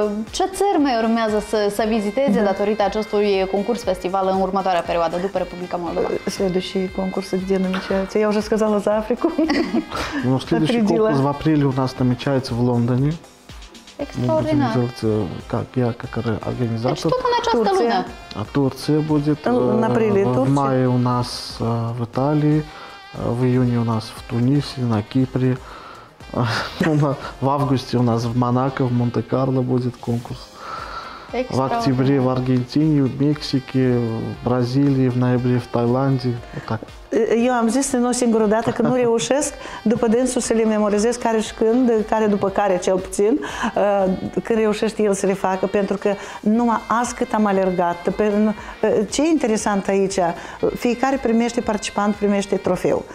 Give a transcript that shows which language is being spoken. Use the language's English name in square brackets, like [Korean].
[Romanian] Ce țări mai urmează să viziteze datorită acestui concurs festival în următoarea perioadă, după Republica Moldova? [Russian] Следующий конкурс где намечается? Я уже сказала за Африку. Ну, следующий конкурс в апреле у нас намечается в Лондоне. Экстраординарно. Как я, как организатор. Это что-то на Турция. А Турция будет. В апреле Турция. В мае у нас в Италии. В июне у нас в Тунисе, на Кипре. В августе у нас в Монако, в Монте-Карло будет конкурс. В октябре в Аргентине, в Мексике, в Бразилии, в ноябре в Таиланде. Вот так. [Romanian] Eu am zis în o singură dată că nu reușesc după dânsul să le memorizez care și când, care după care cel puțin, când reușește el să le facă, pentru că numai azi cât am alergat. Ce e interesant aici, fiecare primește participant, primește trofeu.